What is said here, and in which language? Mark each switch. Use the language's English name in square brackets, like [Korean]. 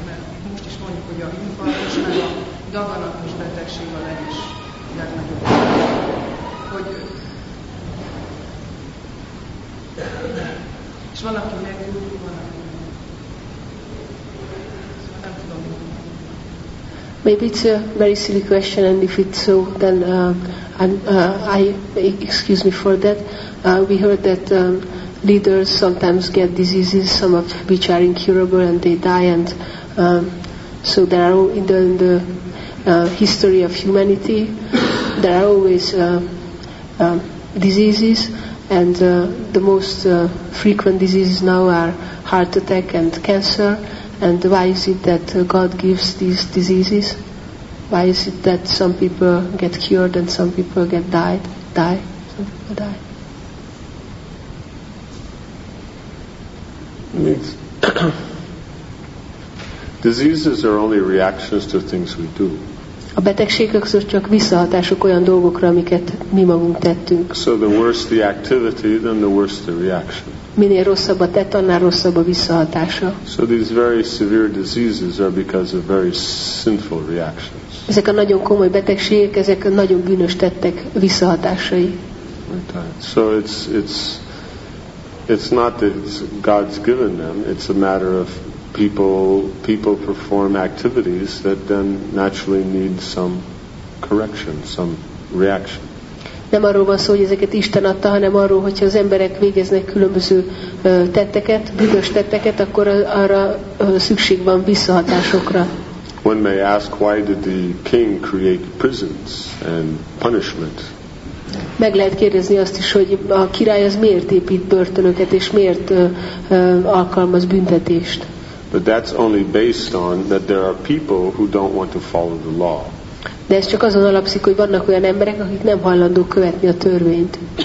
[Hungarian] Mert most is mondjuk, hogy a infarktus, meg a daganatos betegség a legis legnagyobb. Hogy... És van, aki megjúl, van, aki nem tudom. [English] Maybe it's a very silly question, and if it's so, then I excuse me for that. We heard that leaders sometimes get diseases, some of which are incurable, and they die. And so there are in the history of humanity, there are always diseases, and the most frequent diseases now are heart attack and cancer. And why is it that God gives these diseases? Why is it that some people get cured and some people get died? Some people die. Diseases are only reactions to things we do. [Hungarian] A betegségek azok csak visszahatások olyan dolgokra, amiket mi magunk tettünk. [English] So the worse the activity, then the worse the reaction. [Hungarian] Minél rosszabb a tett, annál rosszabb a visszahatása. [English] So these very severe diseases are because of very sinful reactions. [Hungarian] Ezek a nagyon komoly betegségek, ezek a nagyon bűnös tettek visszahatásai. [English] So it's not that God's given them, it's a matter of people perform activities that then naturally need some correction, some reaction. [Hungarian] Nem arról van szó, hogy ezeket Isten adta, hanem arról, hogyha az emberek végeznek különböző tetteket, bűnös tetteket, akkor arra szükség van visszahatásokra. [English] One may ask, why did the king create prisons and punishment? [Hungarian] Meg lehet kérdezni azt is, hogy a király az miért épít börtönöket, és miért alkalmaz büntetést? [English] But that's only based on that there are people who don't want to follow the law. [Hungarian] De ez csak azon alapszik, hogy vannak olyan emberek, akik nem hajlandók követni a törvényt.